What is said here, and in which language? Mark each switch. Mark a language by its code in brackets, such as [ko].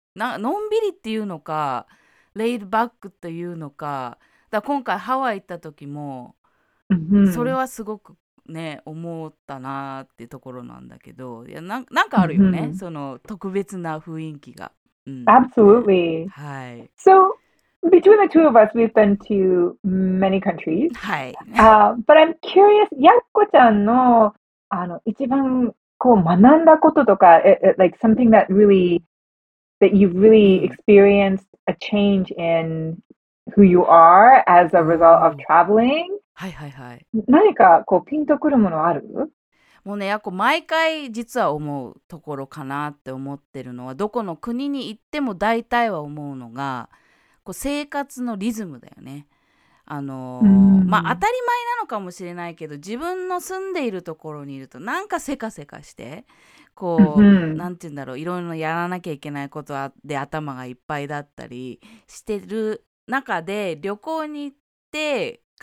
[ja] のんびりっていうのか、レイドバックっていうのか、だから今回ハワイ行った時も、それはすごくね、思ったなってところなんだけど、いや、なんかあるよね、その特別な雰囲気が。 [en] Absolutely. [ja] はい。 [en] So, between the two of us, we've been to many countries. [ja] はい。 But I'm curious, やっこちゃんの、一番こう学んだこととか、 [en] like something that really... That you've really experienced a change in who you are as a result of traveling. [ja] はいはいはい。何かこうピンとくるものある？もうね、やっこ毎回実は思うところかなって思ってるのは、どこの国に行っても大体は思うのが、こう生活のリズムだよね。まあ当たり前なのかもしれないけど、自分の住んでいるところにいるとなんかせかせかしてこう、なんて言うんだろう、いろいろやらなきゃいけないことで頭がいっぱいだったりしてる中で、旅行に行って